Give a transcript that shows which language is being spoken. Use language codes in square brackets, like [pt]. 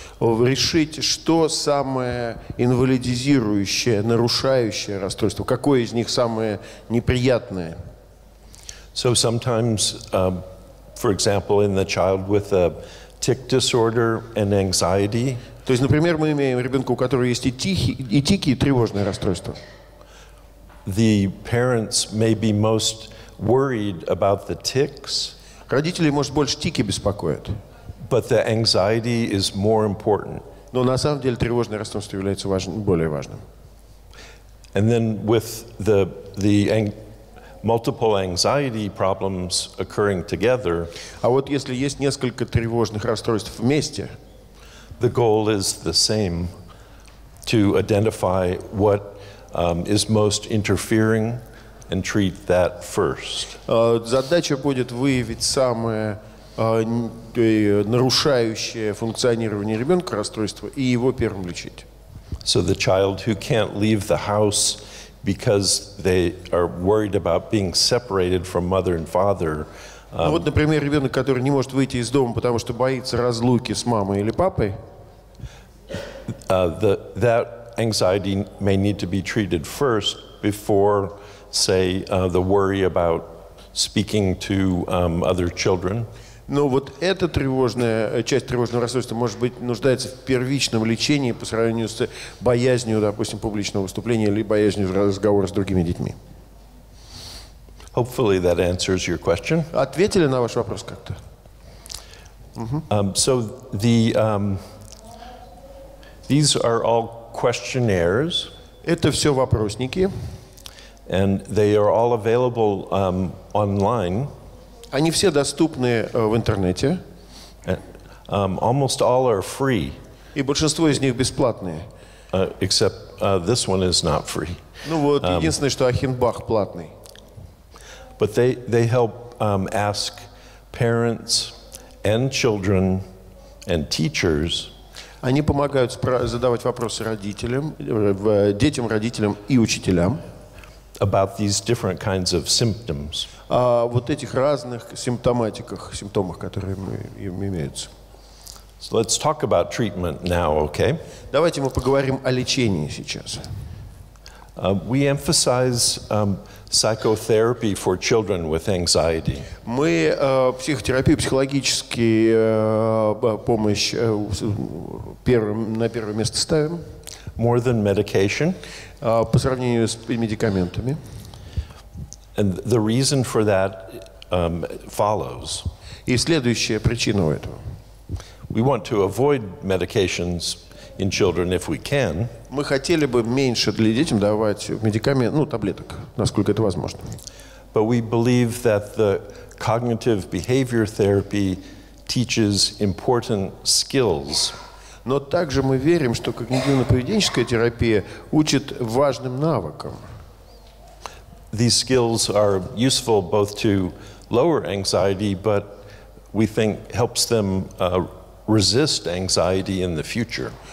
[ru] Решить, что самое инвалидизирующее, нарушающее расстройство, какое из них самое неприятное. [en] So sometimes, for example, in the child with a tic disorder and anxiety. [ru] То есть, например, мы имеем ребенка, у которого есть и тики, и тревожные расстройства. [en] The parents may be most worried about the tics. [ru] Родители, может, больше тики беспокоят. [en] But the anxiety is more important. [ru] Но на самом деле тревожное расстройство является более важным. [en] And then with the multiple anxiety problems occurring together. [ru] А вот если есть несколько тревожных расстройств вместе. [en] The goal is the same, to identify what is most interfering and treat that first. [ru] Задача будет выявить самое нарушающее функционирование ребенка расстройство и его первым лечить. [en] So the child who can't leave the house because they are worried about being separated from mother and father. [ru] Ну, вот, например, ребенок, который не может выйти из дома, потому что боится разлуки с мамой или папой. [en] That anxiety may need to be treated first before, say, the worry about speaking to other children. [ru] Но вот эта тревожная часть тревожного расстройства может быть нуждается в первичном лечении по сравнению с боязнью, допустим, публичного выступления или боязнью разговора с другими детьми. [en] Hopefully that answers your question. [ru] Ответили на ваш вопрос как-то? [en] So the these are all questionnaires. [ru] Это все вопросники. [en] And they are all available online. [ru] Они все доступны в интернете. [en] Almost all are free. [ru] И большинство из них бесплатные. [en] Except this one is not free. [ru] Ну вот единственное, что Ахенбах платный. [en] But they help ask parents and children and teachers. [ru] Они помогают задавать вопросы родителям, детям, родителям и учителям. [en] About these different kinds of symptoms. [ru] О вот этих разных симптоматиках, симптомах, которые имеются. [en] So let's talk about treatment now, okay? [ru] Давайте мы поговорим о лечении сейчас. [en] We emphasize psychotherapy for children with anxiety. [ru] Мы психотерапию, психологическую помощь на первое место ставим. [en] More than medication. [ru] По сравнению с медикаментами. [en] And the reason for that follows. [ru] И следующая причина у этого. [en] We want to avoid medications in children if we can. [ru] Мы хотели бы меньше для детям давать медикаментов, ну, таблеток, насколько это возможно. [en] But we believe that the cognitive behavior therapy teaches important skills. [ru] Но также мы верим, что когнитивно-поведенческая терапия учит важным навыкам. [en] These skills are useful both to lower anxiety, but we think helps them resist anxiety in the future.